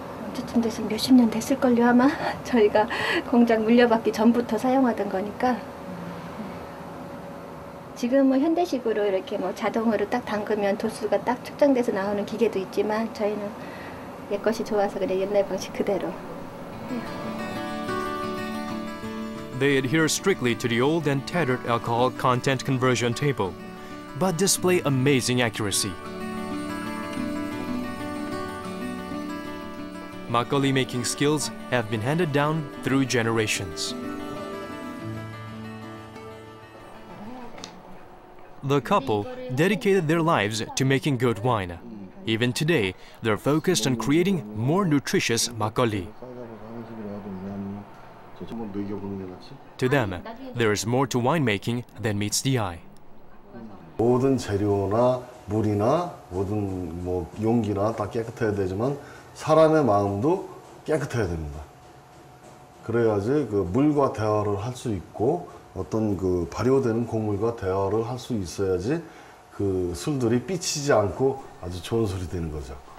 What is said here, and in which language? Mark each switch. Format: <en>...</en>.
<ko>어쨌든 돼서 몇십 년 됐을걸요 아마. 저희가 공장 물려받기 전부터 사용하던 거니까. 지금 뭐 현대식으로 이렇게 뭐 자동으로 딱 담그면 도수가 딱 측정돼서 나오는 기계도 있지만 저희는 옛 것이 좋아서 그냥 옛날 방식 그대로.</ko> <en>They adhere strictly to the old and tattered alcohol content conversion table, but display amazing accuracy. Makgeolli making skills have been handed down through generations. The couple dedicated their lives to making good wine. Even today, they're focused on creating more nutritious makgeolli. To them, there is more to winemaking than meets the eye.</en> <ko>모든 재료나 물이나 모든 뭐 용기나 다 깨끗해야 되지만 사람의 마음도 깨끗해야 됩니다. 그래야지 그 물과 대화를 할 수 있고 어떤 그 발효되는 곡물과 대화를 할 수 있어야지 그 술들이 삐치지 않고 아주 좋은 술이 되는 거죠.</ko>